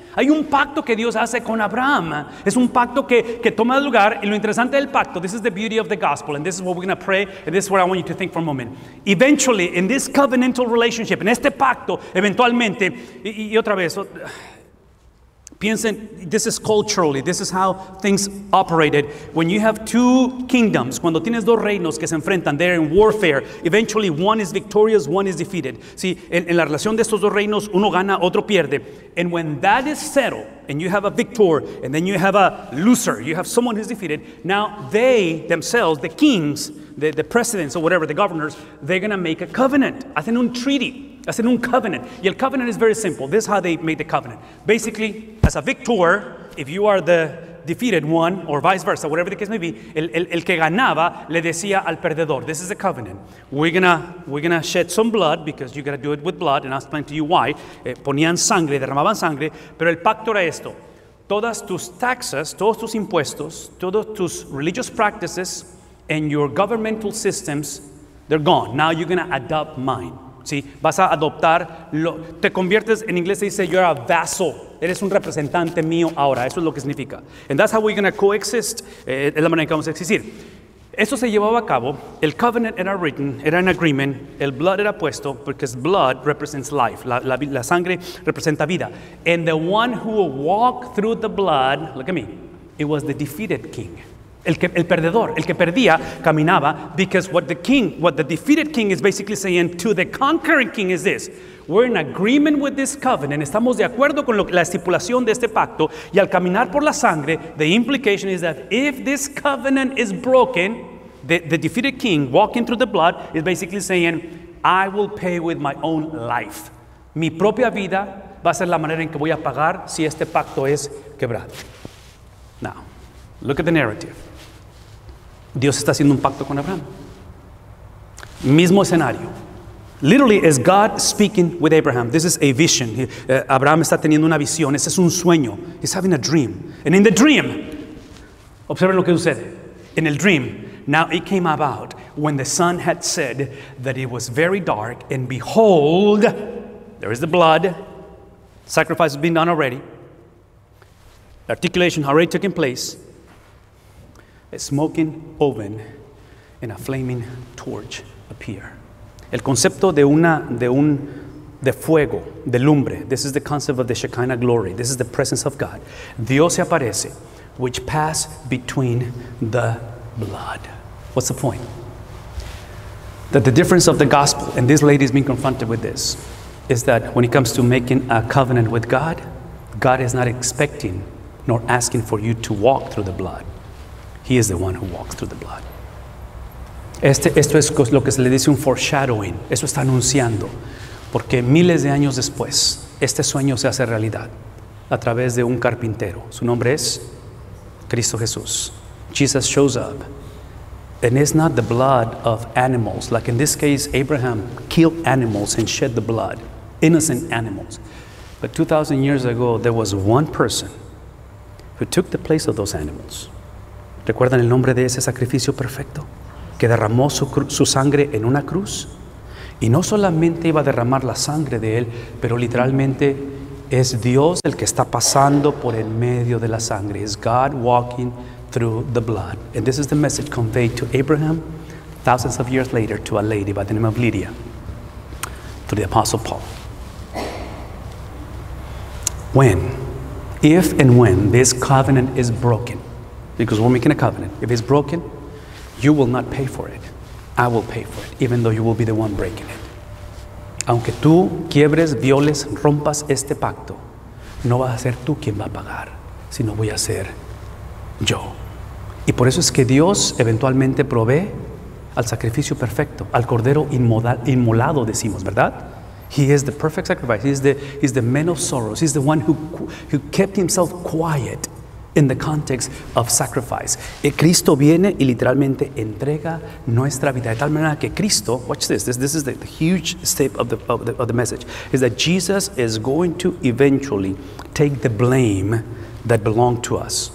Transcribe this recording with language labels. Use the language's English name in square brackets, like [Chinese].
[Spanish] Hay un pacto que Dios hace con Abraham. Es un pacto que toma lugar. Y lo interesante del pacto, [English] this is the beauty of the gospel, and this is what we're going to pray, and this is what I want you to think for a moment. Eventually, in this covenantal relationship, [Spanish] en este pacto, eventualmente, y otra vez... Piensen, [English] this is culturally, this is how things operated. When you have two kingdoms, [Spanish] cuando tienes dos reinos que se enfrentan, [English] they're in warfare, eventually one is victorious, one is defeated. [Spanish] Sí, en la relación de estos dos reinos, uno gana, otro pierde. [English] And when that is settled, and you have a victor, and then you have a loser, you have someone who's defeated, now they themselves, the kings, the presidents or whatever, the governors, they're going to make a covenant, [Spanish] hacen un treaty. Hacen un covenant. Y el [English] covenant is very simple. This is how they made the covenant. Basically, as a victor, if you are the defeated one, or vice versa, whatever the case may be, [Spanish] el que ganaba le decía al perdedor, [English] this is a covenant. We're gonna shed some blood, because you're gonna do it with blood, and I'll explain to you why. [Spanish] Ponían sangre, derramaban sangre, pero el pacto era esto. Todas tus [English] taxes, [Spanish] todos tus impuestos, todos tus [English] religious practices, and your governmental systems, they're gone. Now you're gonna adopt mine. [Spanish] Sí, vas a adoptar, te conviertes, en inglés se dice, [English] you're a vassal, [Spanish] eres un representante mío ahora, eso es lo que significa. [English] And that's how we're going to coexist, [Spanish] es la manera en que vamos a existir. Eso se llevaba a cabo, el covenant era written, era [English] an agreement, [Spanish] el blood era puesto, [English] because blood represents life, [Spanish] la sangre representa vida. [English] And the one who will walk through the blood, look at me, it was the defeated king. [Spanish] El perdedor, el que perdía, caminaba, [English] because what the defeated king is basically saying to the conquering king is this: we're in agreement with this covenant, [Spanish] estamos de acuerdo con la estipulación de este pacto, y al caminar por la sangre, [English] the implication is that if this covenant is broken, the defeated king walking through the blood is basically saying, I will pay with my own life. [Spanish] Mi propia vida va a ser la manera en que voy a pagar si este pacto es quebrado. [English] Now, look at the narrative. [Spanish] Dios está haciendo un pacto con Abraham. Mismo escenario. [English] Literally, is God speaking with Abraham. This is a vision. [Spanish] Abraham está teniendo una visión. Ese es un sueño. [English] He's having a dream. And in the dream, [Spanish] observen lo que sucede. [English] In el dream, now it came about when the sun had set that it was very dark, and behold, there is the blood. Sacrifice has been done already. The articulation already took in place. A smoking oven and a flaming torch appear. [Spanish] El concepto de una, de un, de fuego, de lumbre. [English] This is the concept of the Shekinah glory. This is the presence of God. [Spanish] Dios se aparece, [English] which pass between the blood. What's the point? That the difference of the gospel, and this lady is being confronted with this, is that when it comes to making a covenant with God, God is not expecting nor asking for you to walk through the blood. He is the one who walks through the blood. [Spanish] Esto es lo que se le dice un foreshadowing. Eso está anunciando. Porque miles de años después, este sueño se hace realidad a través de un carpintero. Su nombre es Cristo Jesús. [English] Jesus shows up. And it's not the blood of animals. Like in this case, Abraham killed animals and shed the blood. Innocent animals. But 2,000 years ago, there was one person who took the place of those animals. [Spanish] ¿Recuerdan el nombre de ese sacrificio perfecto? Que derramó su sangre en una cruz. Y no solamente iba a derramar la sangre de él, pero literalmente es Dios el que está pasando por en medio de la sangre. [English] Is God walking through the blood. And this is the message conveyed to Abraham thousands of years later to a lady by the name of Lydia, to the Apostle Paul. When, if and when this covenant is broken, because we're making a covenant, if it's broken, you will not pay for it. I will pay for it, even though you will be the one breaking it. [Spanish] Aunque tú quiebres, violes, rompas este pacto, no vas a ser tú quien va a pagar, sino voy a ser yo. Y por eso es que Dios eventualmente provee al sacrificio perfecto, al cordero inmolado, decimos, ¿verdad? [English] He is the perfect sacrifice. He's the man of sorrows. He's the one who kept himself quiet in the context of sacrifice. [Spanish] Y Cristo viene y literalmente entrega nuestra vida. De tal manera que Cristo, [English] watch this. This is the huge step of the message. Is that Jesus is going to eventually take the blame that belonged to us.